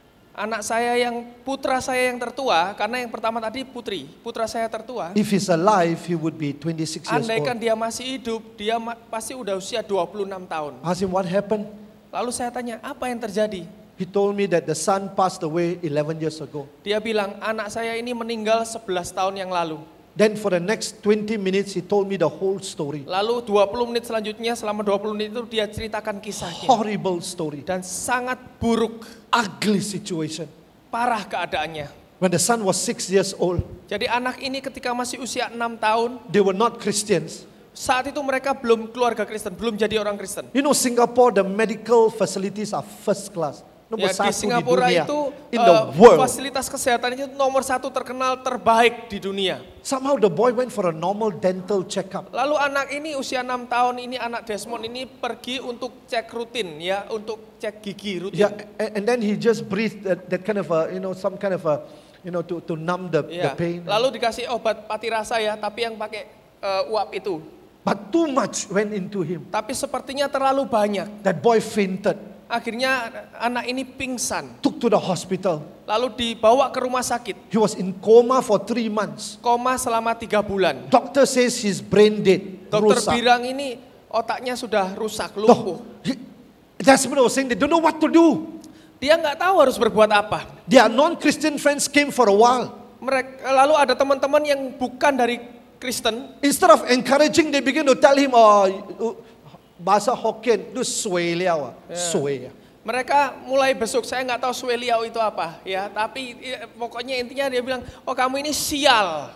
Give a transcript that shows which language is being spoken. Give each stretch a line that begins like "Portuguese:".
Indonesian: Anak saya yang putra saya yang tertua, karena yang pertama tadi putri, putra saya tertua.
English: If he's alive, he would be 26 years old.
Indonesian: Andaikan dia masih hidup, dia pasti udah usia 26 tahun.
English: Ask him what happened.
Indonesian: Lalu saya tanya, apa yang terjadi?
English: He told me that the son passed away 11 years ago.
Indonesian: Dia bilang anak saya ini meninggal 11 tahun yang lalu.
English: Then for the next 20 minutes he told me the whole story.
Indonesian: Lalu 20 menit selanjutnya selama 20 menit itu dia ceritakan kisahnya.
English: Horrible story.
Indonesian: Dan sangat buruk.
English: Ugly situation.
Indonesian: Parah keadaannya.
English: When the son was 6 years old.
Indonesian: Jadi anak ini ketika masih usia 6 tahun.
English: They were not Christians.
Indonesian: Saat itu mereka belum keluarga Kristen, belum jadi orang Kristen.
English: You know Singapore the medical facilities are first class.
Indonesian: Ya, di Singapura di dunia, itu fasilitas kesehatan itu nomor satu terkenal terbaik di dunia.
English: Somehow the boy went for a normal dental checkup.
Indonesian: Lalu anak ini usia 6 tahun ini anak Desmond ini pergi untuk cek rutin ya, untuk cek gigi rutin.
English: Yeah, and then he just breathed that kind of a, you know, some kind of a, you know, to numb the, yeah, the pain.
Indonesian: Lalu dikasih obat pati rasa ya, tapi yang pakai uap itu.
English: But too much went into him.
Indonesian: Tapi sepertinya terlalu banyak.
English: That boy fainted.
Indonesian: Akhirnya anak ini pingsan.
English: Took to the hospital.
Indonesian: Lalu dibawa ke rumah sakit.
English: He was in coma for 3 months.
Indonesian: Koma selama 3 bulan.
English: Doctor says his brain dead.
Indonesian: Dokter bilang ini otaknya sudah rusak, lumpuh.
English: Desmond was saying they don't know what to do.
Indonesian: Dia nggak tahu harus berbuat apa.
English: Their non-Christian friends came for a while.
Indonesian: Mereka lalu ada teman-teman yang bukan dari Kristen.
English: Instead of encouraging, they begin to tell him,
Indonesian: bahasa Hokkien itu
English: suwe liao, yeah. Suwe.
Indonesian: Mereka mulai besuk, saya enggak tahu suwe liao itu apa ya, tapi pokoknya intinya dia bilang, "Oh, kamu ini sial."